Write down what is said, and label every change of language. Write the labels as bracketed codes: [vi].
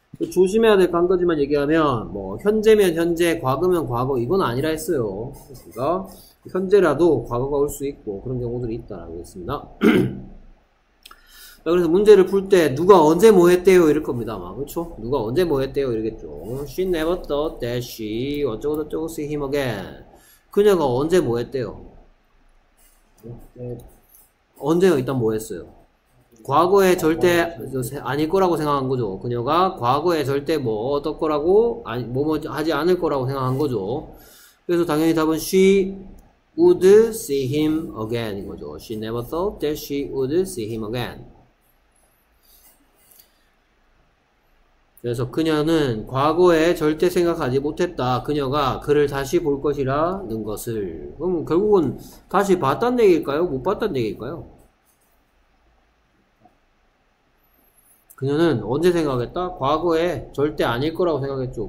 [ko] 조심해야 될 한 가지만 얘기하면 뭐 현재면 현재, 과거면 과거 이건 아니라 했어요. 그러니까 현재라도 과거가 올 수 있고 그런 경우들이 있다라고 했습니다. 그래서 문제를 풀 때 누가 언제 뭐 했대요 이럴 겁니다. 아마 그렇죠? 누가 언제 뭐 했대요 이러겠죠. [en] She never thought that she [ko] 어쩌고 저쩌고 [en] see him again. [ko] 그녀가 언제 뭐 했대요? 네. 언제요? 일단 뭐 했어요? 과거에 절대 아닐 거라고 생각한 거죠. 그녀가 과거에 절대 뭐 어떨 거라고 아니 뭐뭐 하지 않을 거라고 생각한 거죠. 그래서 당연히 답은 [en] she would see him again [ko] 인 거죠. [en] She never thought that she would see him again. [ko] 그래서 그녀는 과거에 절대 생각하지 못했다. 그녀가 그를 다시 볼 것이라는 것을. 그럼 결국은 다시 봤단 얘기일까요? 못 봤단 얘기일까요? 그녀는 언제 생각했다? 과거에 절대 아닐 거라고 생각했죠.